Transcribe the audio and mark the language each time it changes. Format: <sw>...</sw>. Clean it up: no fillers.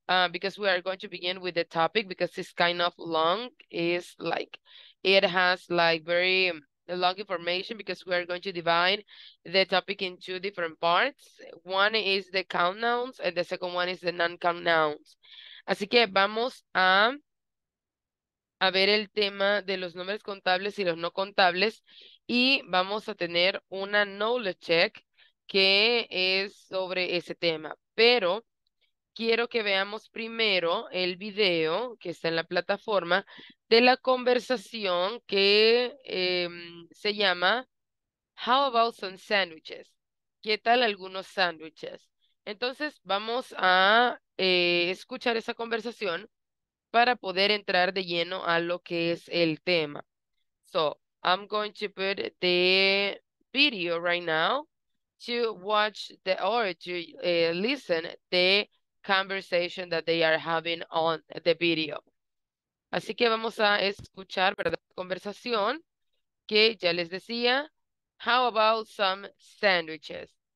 <en>Because we are going to begin with the topic because it's kind of long. It's like it has like very long information because we are going to divide the topic in two different parts. One is the count nouns and the second one is the non-count nouns.</en> <es>Así que vamos a ver el tema de los nombres contables y los no contables y vamos a tener una knowledge check que es sobre ese tema. Pero quiero que veamos primero el video que está en la plataforma de la conversación que se llama How about some sandwiches? ¿Qué tal algunos sándwiches? Entonces vamos a escuchar esa conversación para poder entrar de lleno a lo que es el tema.</es> <en>So, I'm going to put the video right now to watch the or to listen the conversation that they are having on the video.</en> <es>Así que vamos a escuchar, ¿verdad? Conversación que ya les decía, How about some sandwiches?</es>